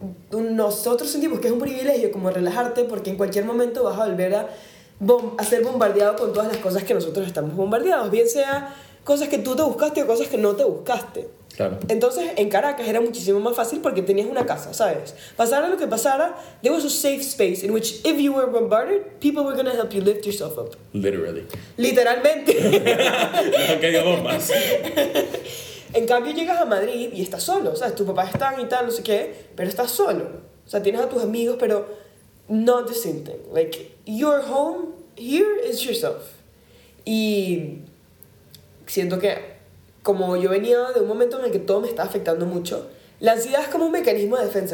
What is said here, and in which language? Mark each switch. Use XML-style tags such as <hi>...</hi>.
<es>Nosotros sentimos que es un privilegio como relajarte, porque en cualquier momento vas a volver a ser bombardeado con todas las cosas que nosotros estamos bombardeados, bien sea cosas que tú te buscaste o cosas que no te buscaste. Claro. Entonces en Caracas era muchísimo más fácil porque tenías una casa, ¿sabes? Pasara lo que pasara,</es> <en>there was a safe space in which if you were bombarded, people were gonna help you lift yourself up. Literally.</en> <es>Literalmente. No caiga bombas. En cambio llegas a Madrid y estás solo, ¿sabes? Tus papás están y tal, no sé qué, pero estás solo. O sea, tienes a tus amigos, pero</es> <en>not the same thing. Like, your home here is yourself.</en> <es>Y siento que como yo venía de un momento en el que todo me estaba afectando mucho, la ansiedad es como un mecanismo de defensa.</es>